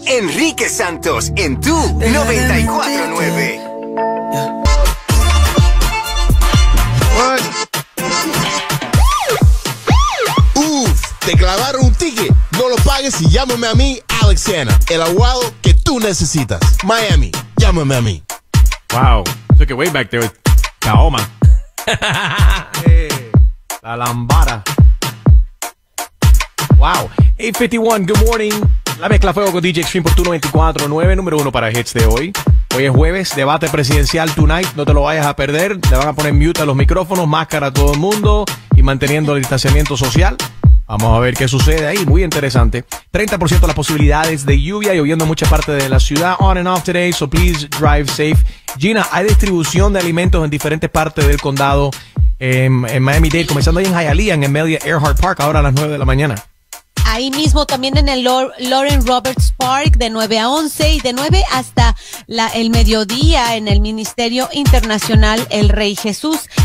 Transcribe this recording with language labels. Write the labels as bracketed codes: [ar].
[es] Enrique Santos en tu 94.9. Uf, te clavaron un ticket. No lo pagues y llámame a mí, Alex Sena, el abogado que tú necesitas. Miami, llámame a mí. [en] Wow, took it way back there with Kaoma. [es] La Lambada. [en] Wow. 851, good morning. [es] La mezcla fuego con DJ Extreme por tu 94.9, número uno para hits de hoy. Hoy es jueves, debate presidencial tonight. No te lo vayas a perder. Le van a poner mute a los micrófonos, máscara a todo el mundo y manteniendo el distanciamiento social. Vamos a ver qué sucede ahí. Muy interesante. 30% de las posibilidades de lluvia, lloviendo en mucha parte de la ciudad. [en] On and off today, so please drive safe. [es] Gina, hay distribución de alimentos en diferentes partes del condado. En Miami-Dade, comenzando ahí en Hialeah, en Amelia Earhart Park, ahora a las 9 de la mañana. Ahí mismo, también en el Lauren Roberts Park, de 9 a 11 y de 9 hasta el mediodía en el Ministerio Internacional El Rey Jesús.